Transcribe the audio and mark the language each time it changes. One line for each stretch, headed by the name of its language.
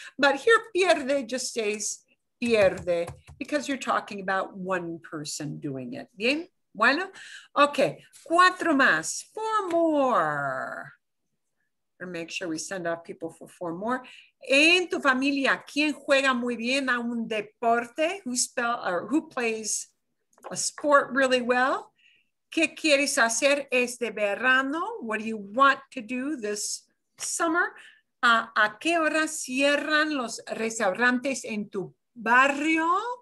English: But here, pierde just says pierde because you're talking about one person doing it, bien?
Spanish: Bueno, okay, cuatro más,
English: four more. Make sure we send out people for four more.
Spanish: En tu familia, ¿quién juega muy bien a un deporte?
English: Who plays a sport really well?
Spanish: ¿Qué quieres hacer este verano?
English: What do you want to do this summer?
Spanish: ¿A qué hora cierran los restaurantes en tu barrio?